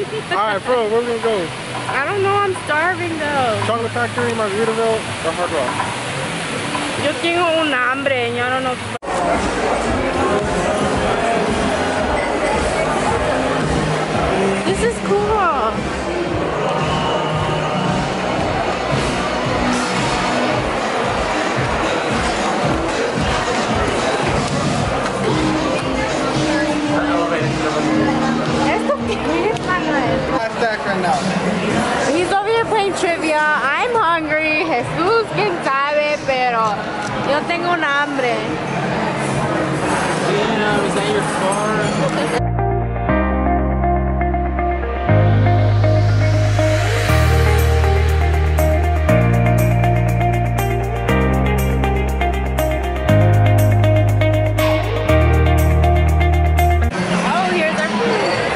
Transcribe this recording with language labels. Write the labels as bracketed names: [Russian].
[English] Alright, bro, where are we going to go? I don't know. I'm starving, though. Chocolate Factory, Margaritaville, or Hard Rock? [Spanish] Yo tengo un hambre, y yo no nos... [English] This is cool. [Spanish] Esto qué es, Manuel? [English] Right now. He's over here playing trivia. I'm hungry. [Spanish] Jesús, quién sabe, pero yo tengo un hambre. [English] Is that your car? Oh, here's our food.